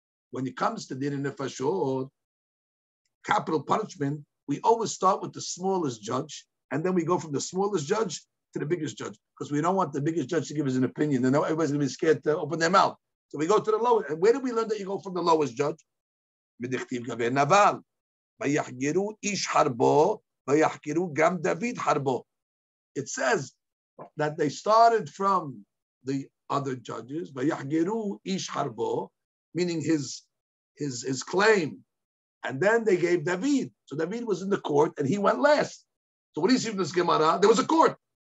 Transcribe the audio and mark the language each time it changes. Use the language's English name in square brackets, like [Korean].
[English] When it comes to Dinei Nefashot, capital punishment, we always start with the smallest judge, and then we go from the smallest judge to the biggest judge, because we don't want the biggest judge to give us an opinion. And everybody's going to be scared to open their mouth. So we go to the lowest. And where did we learn that you go from the lowest judge? [Hebrew] Midichtiv Gavir Naval. ויחגרו איש חרבו ויחגרו גם דוד חרבו. [English] It says that they started from the other judges, [Hebrew] ויחגרו איש חרבו, [English] meaning his claim, and then they gave David. So David was in the court and he went last. So what do you see from this Gemara? There was a court.